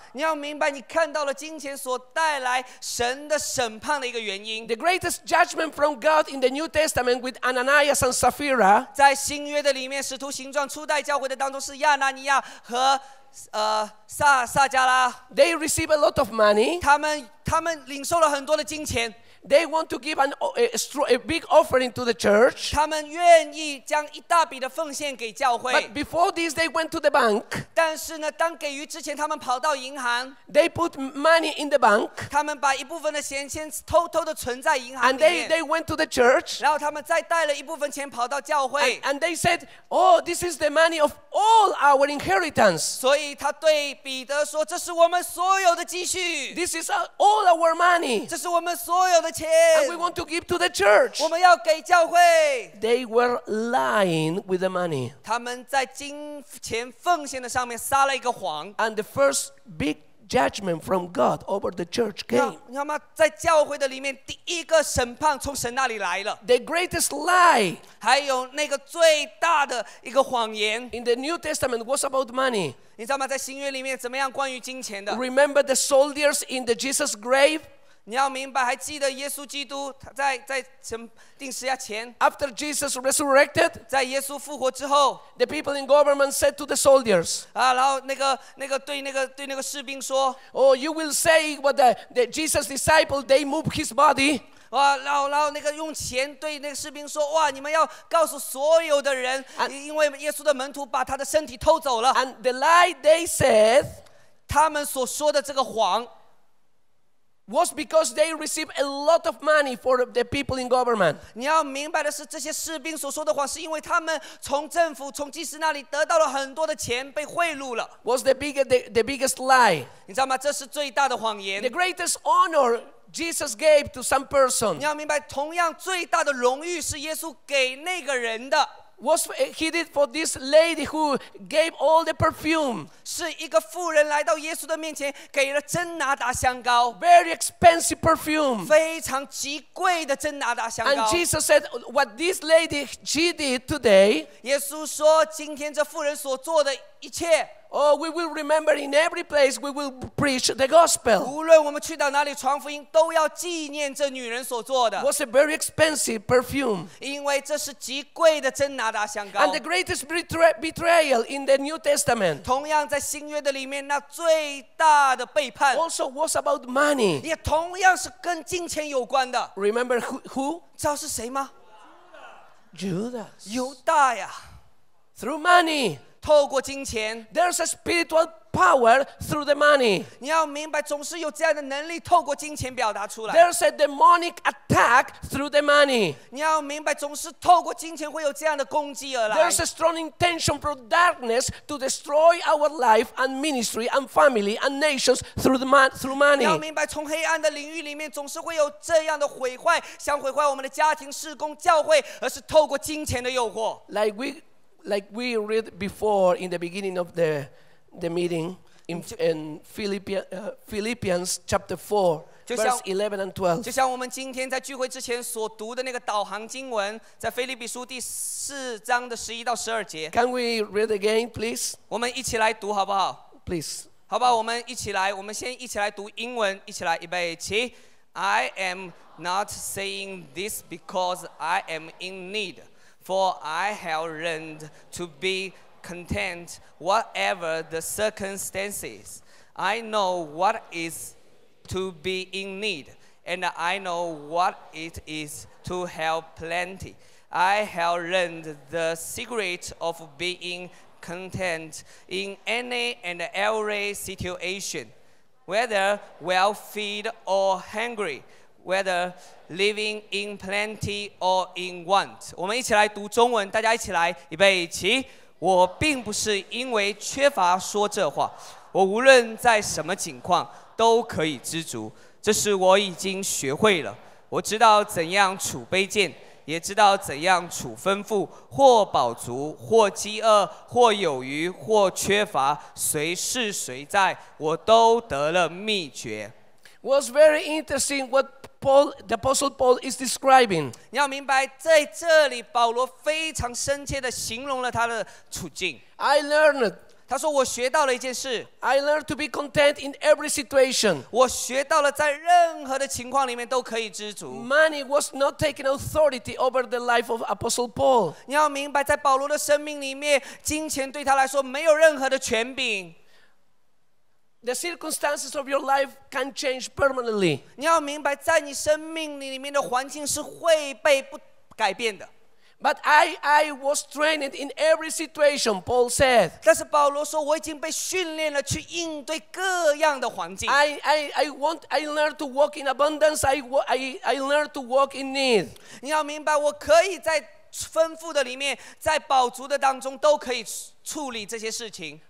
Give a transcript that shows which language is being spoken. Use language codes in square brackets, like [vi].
[zh] 你要明白，你看到了金钱所带来神的审判的一个原因。 [en] The greatest judgment from God in the New Testament with Ananias and Sapphira. [zh] 在新约的里面，使徒行传初代教会的当中是亚拿尼亚和撒加拉。 [en] They receive a lot of money. [zh] 他们领受了很多的金钱。 [en] They want to give a big offering to the church. [zh] 他们愿意将一大笔的奉献给教会。 [en] But before this, they went to the bank. [zh] 但是呢，当给予之前，他们跑到银行。 [en] They put money in the bank. [zh] 他们把一部分的钱先偷偷的存在银行里面。 [en] And they went to the church. [zh] 然后他们再带了一部分钱跑到教会。 [en] And they said, "Oh, this is the money of all our inheritance." [zh] 所以他对彼得说，这是我们所有的积蓄。 [en] This is all our money. [zh] 这是我们所有的。 [en] And we want to give to the church. [zh] 我们要给教会。 [en] They were lying with the money. [zh] 他们在金钱奉献的上面撒了一个谎。 [en] And the first big judgment from God over the church came. [zh] 你知道吗？在教会的里面，第一个审判从神那里来了。 [en] The greatest lie. [zh] 还有那个最大的一个谎言。 [en] In the New Testament, was about money. [zh] 你知道吗？在新约里面怎么样关于金钱的 [en] ？Remember the soldiers in the Jesus grave. [zh] 你要明白，还记得耶稣基督在钉十字架前 [en] ？After Jesus resurrected， [zh] 在耶稣复活之后 [en] ，the people in government said to the soldiers， [zh] 啊，然后那个对那个士兵说 [en] ，Oh， you will say what the Jesus disciple they move his body。 [zh] 哇，然后那个用钱对那个士兵说，哇，你们要告诉所有的人， [en] and, [zh] 因为耶稣的门徒把他的身体偷走了。 [en] And the lie they said， [zh] 他们所说的这个谎。 [en] Was because they received a lot of money for the people in government. [zh] 你要明白的是，这些士兵所说的谎，是因为他们从政府、从祭司那里得到了很多的钱，被贿赂了。 [en] Was the biggest lie. [zh] 你知道吗？这是最大的谎言。 [en] The greatest honor Jesus gave to some person. [zh] 你要明白，同样最大的荣誉是耶稣给那个人的。 [en] Was he did for this lady who gave all the perfume? [zh] 是一个妇人来到耶稣的面前，给了真拿达香膏。 [en] Very expensive perfume. [zh] 非常极贵的真拿达香膏。 [en] And Jesus said, "What this lady she did today?" [zh] 耶稣说，今天这妇人所做的一切。 [en] Oh, we will remember in every place we will preach the gospel. [zh] 无论我们去到哪里传福音，都要纪念这女人所做的。 [en] Was a very expensive perfume. [zh] 因为这是极贵的真拿达香膏。 [en] And the greatest betrayal in the New Testament. [zh] 同样在新约的里面，那最大的背叛。 [en] Also was about money. [zh] 也同样是跟金钱有关的。 [en] Remember who? [zh] 知道是谁吗？ [en] Judas. [zh] 犹大呀。 [en] Through money. [zh] 透过金钱 [en] There's a spiritual power through the money. [zh] 你要明白，总是有这样的能力透过金钱表达出来。 [en] There's a demonic attack through the money. [zh] 你要明白，总是透过金钱会有这样的攻击而来。 [en] There's a strong intention from darkness to destroy our life and ministry and family and nations through money. [zh] 你要明白，从黑暗的领域里面总是会有这样的毁坏，想毁坏我们的家庭、事工、教会，而是透过金钱的诱惑。 [en] Like we read before in the beginning of the meeting in Philippians chapter 4, verse 11 and 12. [zh] 就像我们今天在聚会之前所读的那个导航经文，在腓立比书第四章的十一到十二节。 [en] Can we read again, please? [zh] 我们一起来读好不好？ [en] Please. [zh] 好不好？我们一起来，我们先一起来读英文，一起来，预备起。 [en] I am not saying this because I am in need. For I have learned to be content whatever the circumstances. I know what is to be in need, and I know what it is to have plenty. I have learned the secret of being content in any and every situation, whether well-fed or hungry, whether living in plenty or in want. [zh] 我们一起来读中文，大家一起来，预备起。我并不是因为缺乏说这话，我无论在什么境况，都可以知足，这是我已经学会了。我知道怎样处卑贱，也知道怎样处丰富，或饱足，或饥饿，或有余，或缺乏，随是随在，我都得了秘诀。 [en] Was very interesting what Paul, the Apostle Paul, is describing. [zh] 你要明白，在这里保罗非常深切地形容了他的处境。 [en] I learned. [zh] 他说我学到了一件事。 [en] I learned to be content in every situation. [zh] 我学到了在任何的情况里面都可以知足。 [en] Money was not taking authority over the life of Apostle Paul. [zh] 你要明白，在保罗的生命里面，金钱对他来说没有任何的权柄。 [en] The circumstances of your life can change permanently. [zh] 你要明白，在你生命里面的环境是会被不改变的。 [en] But I was trained in every situation, Paul said. [zh] 但是保罗说，我已经被训练了去应对各样的环境。 [en] I learned to walk in abundance. I learned to walk in need. [zh] 你要明白，我可以在丰富的里面，在饱足的当中都可以处理这些事情。